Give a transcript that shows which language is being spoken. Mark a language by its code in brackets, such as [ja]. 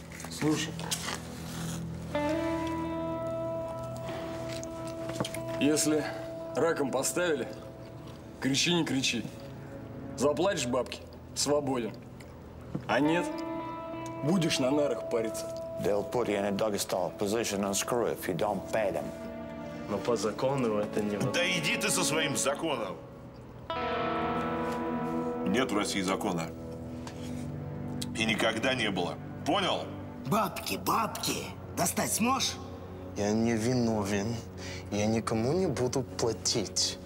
[ru] Слушай. Если раком поставили, кричи, не кричи. Заплатишь бабки – свободен. А нет – будешь на нарах париться. [en] They'll put you in a doggy-style position and screw if you don't pay them. [ru] Но по закону это не возможно. Да иди ты со своим законом! Нет в России закона. И никогда не было. Понял? Бабки, бабки! Достать сможешь? Я не виновен. Я никому не буду платить.